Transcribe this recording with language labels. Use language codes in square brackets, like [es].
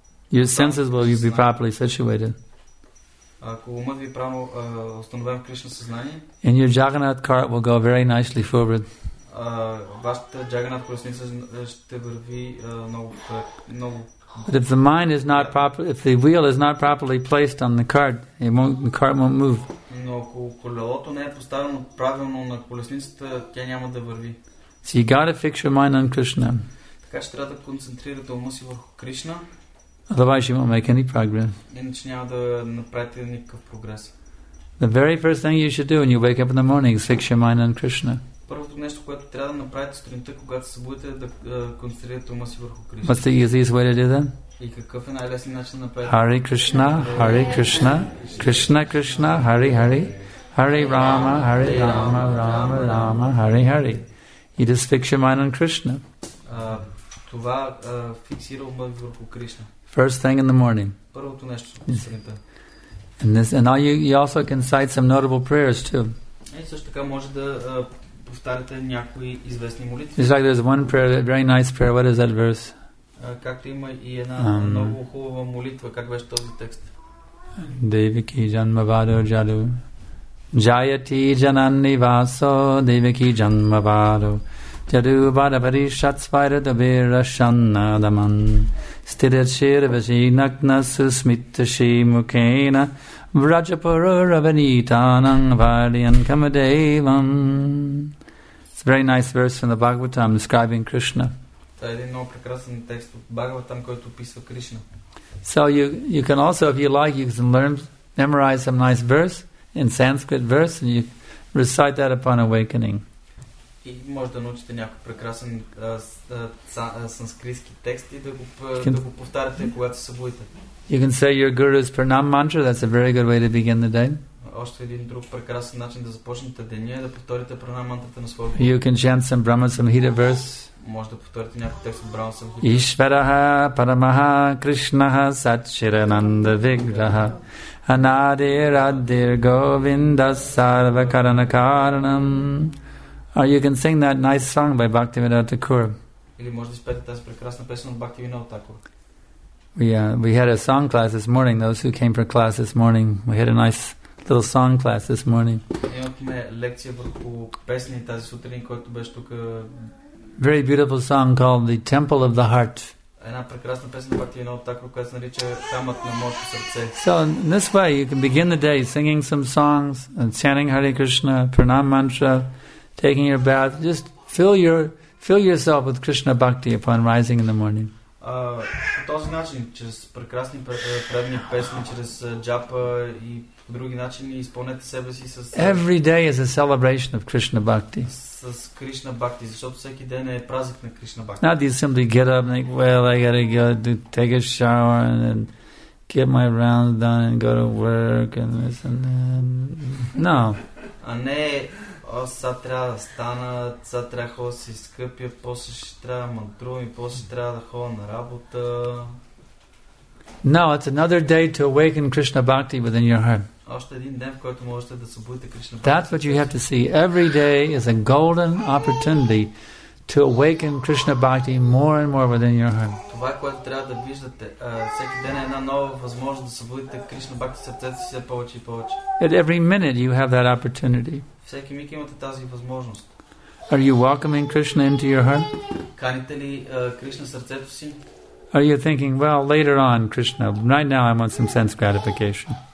[en] your senses will be properly situated. [bg] Ако умът ви е правилно установен в Кришна съзнание, [en] and your Jagannath cart will go very nicely forward. [bg] Вашата Jagannath колесница ще върви много. [en] But if the mind is not proper, if the wheel is not properly placed on the cart, the cart won't move. [bg] Но ако колелото не е поставено правилно на колесницата, тя няма да върви. [en] So you gotta fix your mind on Krishna. [bg] Така че трябва да концентрирате ума си върху Кришна. [en] Otherwise you won't make any progress. [bg] Иначе няма да направите никакъв прогрес. [en] The very first thing you should do when you wake up in the morning is fix your mind on Krishna. [bg] Първото нещо, което трябва да направите сутринта, когато се будете, е да концентрирате ума си върху Кришна. [en] What's the easiest way to do that? [bg] И какъв е най-лесният начин да направите? [sa] Hare Krishna, Hare Krishna, Krishna Krishna, Hare Hare, Hare Rama, Hare Rama, Rama Rama, Hare Hare. [en] You just fix your mind on Krishna. [bg] Това фиксира ума върху Кришна. [en] First thing in the morning. [bg] Първото нещо сутринта. [en] And this, and now you also can cite some notable prayers too. [bg] Също така може да повтаряте някои известни молитви. [en] It's like there's one prayer, a very nice prayer. What is that verse? [bg] Както има и една много хубава молитва. Как беше този текст? [sa] Devaki Janmavado Jalu Jayati Janani Vaso Devaki Janmavado Jalu Badabari Shatsvaira Dabira Shannadaman Stidachir Vajinakna Susmitashi Mukena Vrajapuru Ravanitanang Varyan Kamadevam. [en] It's a very nice verse from the Bhagavatam describing Krishna. [bg] Та е един много прекрасен текст от Бхагаватам, който описва Кришна. [en] So you can also, if you like, you can learn, memorize some nice verse in Sanskrit verse and you recite that upon awakening. [bg] И може да научите някой прекрасен санскритски текст и да го повтаряте, когато се събудите. [en] You can say your guru's pranam mantra. That's a very good way to begin the day. [bg] Още един друг прекрасен начин да започнете деня е да повторите пранам мантрата на своя. [en] You can chant some Brahma Samhita verse. [bg] Може да повторите някой текст от Брахма Самхита. [sa] Ишвараха Парамаха Кришнаха Сачирананда Виграха Анадир Аддир Говинда Сарва Карана Каранам. [en] Or you can sing that nice song by Bhaktivinoda Thakur. [bg] Или може да изпеете тази прекрасна песен от Бхактивинода Такур. [en] We had a song class this morning. Those who came for class this morning, we had a nice little song class this morning. [bg] Имахме лекция върху песни тази сутрин, който беше тук. [en] Very beautiful song called The Temple of the Heart. [bg] Една прекрасна песен, Бхактивинода Такур, която се нарича Храмът на моето сърце. [en] So in this way you can begin the day singing some songs and chanting Hare Krishna, pranam mantra, taking your bath. Just fill yourself with Krishna bhakti upon rising in the morning. [bg] По този начин, чрез прекрасни предни песни, чрез джапа и по други начини, изпълнете себе си с... [en] Every day is a celebration of Krishna bhakti. [bg] С Кришна бхакти, защото всеки ден е празник на Кришна бхакти. [en] Not you simply get up and like, well, I gotta go to take a shower and then get my rounds done and go to work and this and then... No. [bg] А не, сега трябва да стана, сега трябва да ходя си скъпя, после ще трябва да мантрувам и после трябва да ходя на работа. [en] No, it's another day to awaken Krishna bhakti within your heart. That's what you have to see. Every day is a golden opportunity to awaken Krishna bhakti more and more within your heart. [bg] Това е което трябва да виждате. Всеки ден е една нова възможност да събудите Кришна бхакти в сърцето си повече и повече. [en] At every minute you have that opportunity. [bg] Всеки миг имате тази възможност. [en] Are you welcoming Krishna into your heart? [bg] Каните ли Кришна сърцето си? [en] Are you thinking, well, later on, Krishna, right now I want some sense gratification?